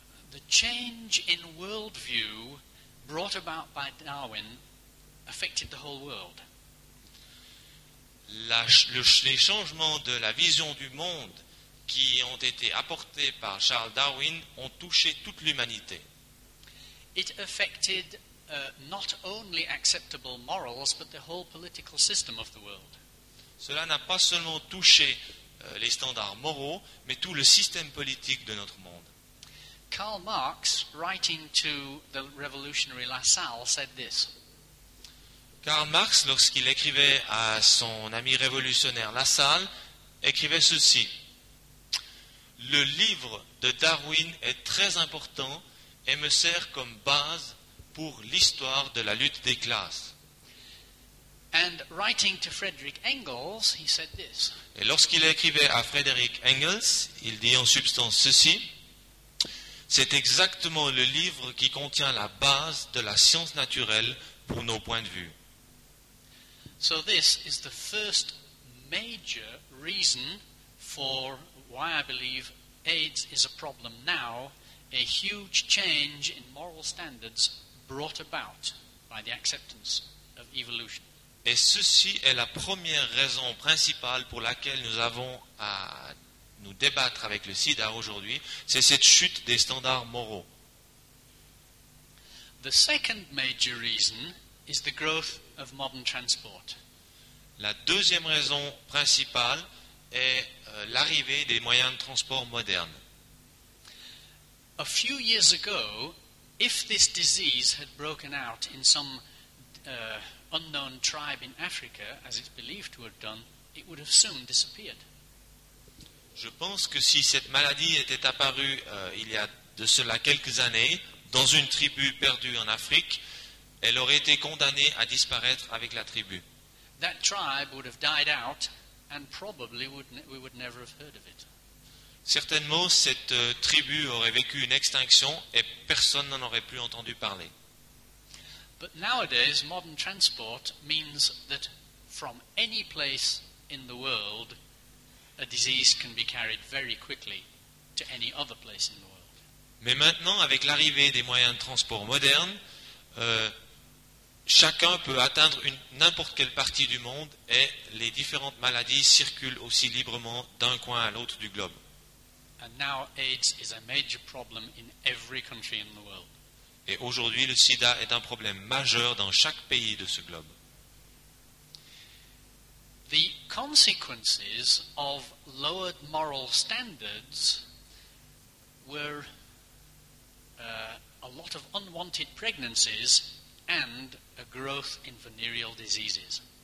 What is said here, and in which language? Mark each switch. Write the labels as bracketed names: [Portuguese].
[English] The change in worldview brought about by Darwin affected the whole world. [French] Les changements de la vision du monde qui ont été apportés par Charles Darwin ont touché toute l'humanité. [English] It affected not only acceptable morals, but the whole political system of the world. [French] Cela n'a pas seulement touché les standards moraux, mais tout le système politique de notre monde. [English] Karl Marx, writing to the revolutionary LaSalle, said this. [French] Karl Marx, lorsqu'il écrivait à son ami révolutionnaire LaSalle, écrivait ceci. Le livre de Darwin est très important et me sert comme base pour l'histoire de la lutte des classes. [English] And writing to Friedrich Engels, he said this. [French] Et lorsqu'il écrivait à Friedrich Engels, il dit en substance ceci. C'est exactement le livre qui contient la base de la science naturelle pour nos points de vue. [English] So this is the first major reason for why I believe AIDS is a problem now, a huge change in moral standards brought about by the acceptance of evolution. [French] Et ceci est la première raison principale pour laquelle nous avons à nous débattre avec le SIDA aujourd'hui, c'est cette chute des standards moraux. [English] The second major reason is the growth of modern transport. [French] La deuxième raison principale est l'arrivée des moyens de transport modernes. [English] A few years ago, if this disease had broken out in some unknown tribe in Africa, as it's believed to have done, it would have soon disappeared. [French] Je pense que si cette maladie était apparue il y a de cela quelques années, dans une tribu perdue en Afrique, elle aurait été condamnée à disparaître avec la tribu. [English] That tribe would have died out and probably we would never have heard of it. [French] Certainement, cette tribu aurait vécu une extinction et personne n'en aurait plus entendu parler. [English] But nowadays, modern transport means that from any place in the world, a disease can be carried very quickly to any other place in the world. [French] Mais maintenant, avec l'arrivée des moyens de transport modernes, chacun peut atteindre n'importe quelle partie du monde et les différentes maladies circulent aussi librement d'un coin à l'autre du globe. [English] And now AIDS is a major problem in every country in the world. [French] Et aujourd'hui, le sida est un problème majeur dans chaque pays de ce globe. [English] The consequences of lowered moral standards were a lot of unwanted pregnancies and a growth in venereal diseases.